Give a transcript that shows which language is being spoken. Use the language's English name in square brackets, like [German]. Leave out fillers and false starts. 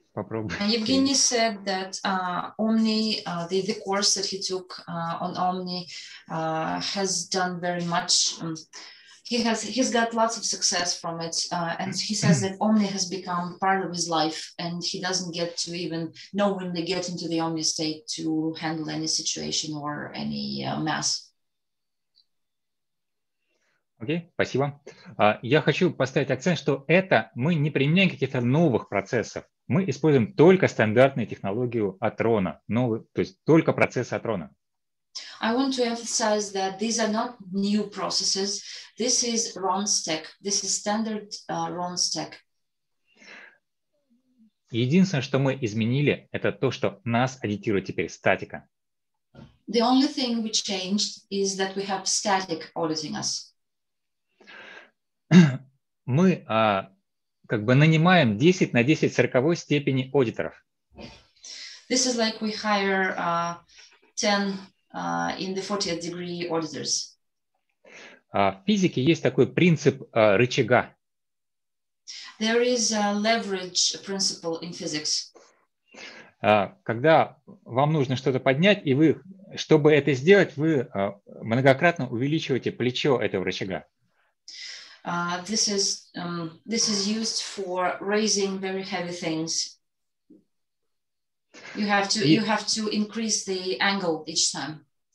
[English] Evgeny said that Omni, the course that he took on Omni, has done very much. He's got lots of success from it, and he says that Omni has become part of his life, and he doesn't get to even knowingly get into the Omni state to handle any situation or any mess. [Russian] Окей, спасибо. Я хочу поставить акцент, что это мы не применяем каких-то новых процессов. Мы используем только стандартную технологию Атрона, то есть только процессы Атрона. [English] I want to emphasize that these are not new processes. This is RONS tech. This is standard RONS tech. [Russian] Единственное, что мы изменили, это то, что нас аудитирует теперь статика. [English] The only thing we changed is that we have static auditing us. [Russian] Мы как бы нанимаем 10 на 10 сороковой степени аудиторов. [English] This is like we hire 10 in the 40th degree auditors. [Russian] В физике есть такой принцип рычага. [English] There is a leverage principle in physics. [Russian] Когда вам нужно что-то поднять, и вы, чтобы это сделать, вы многократно увеличиваете плечо этого рычага. [English] This is used for raising very heavy things. You have to increase the angle each time.